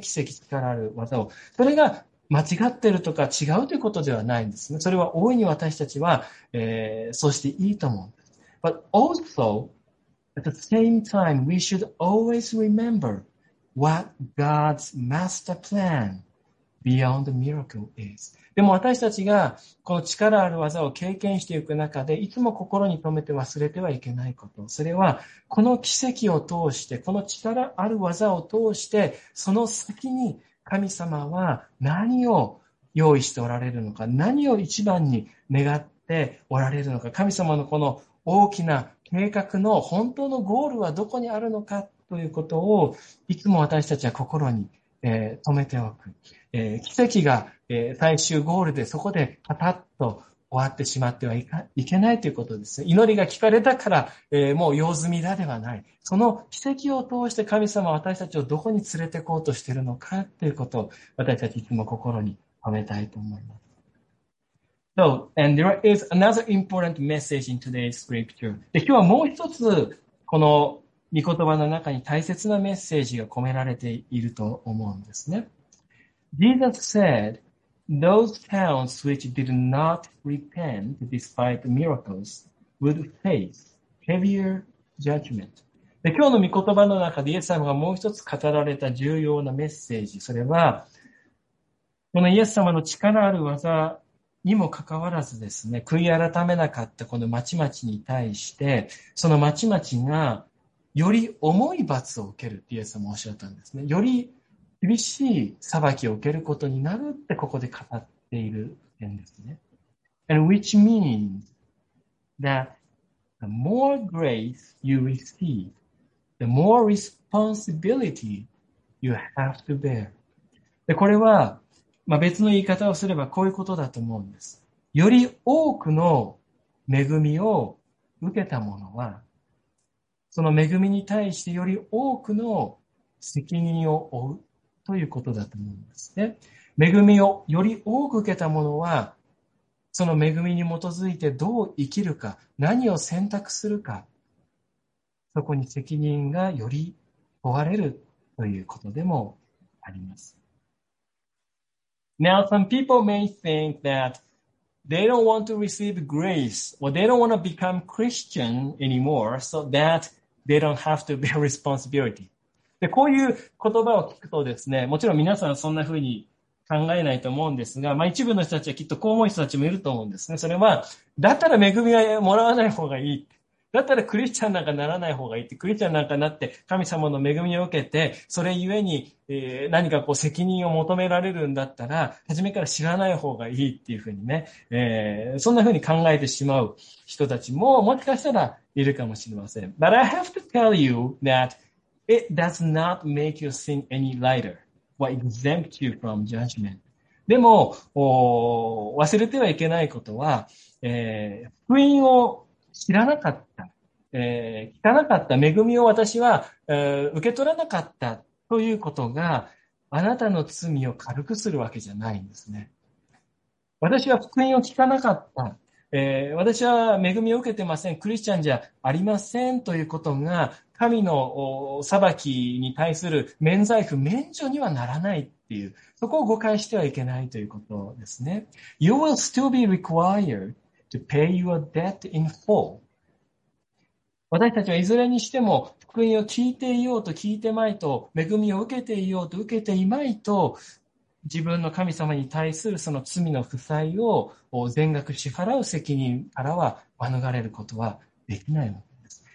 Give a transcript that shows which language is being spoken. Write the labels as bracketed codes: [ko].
[ja] 奇跡力ある技を。それが間違ってるとか違うということではないんですね。それは大いに私たちは、そうしていいと思うんです。 [en] But also, at the same time, we should always remember what God's master plan beyond the miracle is. [ja] でも私たちがこの力ある技を経験していく中で、いつも心に留めて忘れてはいけないこと。それは、この奇跡を通して、この力ある技を通して、その先に神様は何を用意しておられるのか、何を一番に願っておられるのか、神様のこの大きな計画の本当のゴールはどこにあるのかということを、いつも私たちは心に、留めておく。奇跡が、最終ゴールでそこでパタッと終わってしまってはいけないということです。祈りが聞かれたから、もう用済みだではない。その奇跡を通して神様は私たちをどこに連れて行こうとしているのかということを私たちいつも心に留めたいと思います。 [en] So, and there is another important message in today's scripture. [ja] で、今日はもう一つこの御言葉の中に大切なメッセージが込められていると思うんですね。 [en] Jesus said, those towns which did not repent despite miracles would face heavier judgment. [ja] で、今日の御言葉の中でイエス様がもう一つ語られた重要なメッセージ、それは、このイエス様の力ある技にもかかわらずですね、悔い改めなかったこの町々に対して、その町々がより重い罰を受けるってイエス様おっしゃったんですね。より厳しい裁きを受けることになるってここで語っている点ですね。 [en] And which means that the more grace you receive, the more responsibility you have to bear. [ja] で、これは、別の言い方をすればこういうことだと思うんです。より多くの恵みを受けた者は、その恵みに対してより多くの責任を負うということだと思うんですね。恵みをより多く受けた者は、その恵みに基づいてどう生きるか、何を選択するか、そこに責任がより負われるということでもあります。 [en] Now, some people may think that they don't want to receive grace, or they don't want to become Christian anymore, so that they don't have to bear responsibility. [ja] で、こういう言葉を聞くとですね、もちろん皆さんそんな風に考えないと思うんですが、一部の人たちはきっとこう思う人たちもいると思うんですね。それは、だったら恵みはもらわない方がいい。だったらクリスチャンなんかならない方がいいって、クリスチャンなんかなって神様の恵みを受けて、それゆえに、何かこう責任を求められるんだったら、初めから知らない方がいいっていうふうにね、そんなふうに考えてしまう人たちももしかしたらいるかもしれません。 [en] But I have to tell you that it does not make your sin any lighter or exempt you from judgment. [ja] でも、忘れてはいけないことは、福音を知らなかった、聞かなかった、恵みを私は、受け取らなかったということがあなたの罪を軽くするわけじゃないんですね。私は福音を聞かなかった、私は恵みを受けてません、クリスチャンじゃありませんということが神の裁きに対する免罪符、免除にはならないっていう、そこを誤解してはいけないということですね。 [en] You will still be requiredTo pay your debt in full. [ja] 私たちはいずれにしても福音を聞いていようと聞いてまいと、恵みを受けていようと受けていまいと、自分の神様に対するその罪の負債を全額支払う責任からは免れることはできないわけです。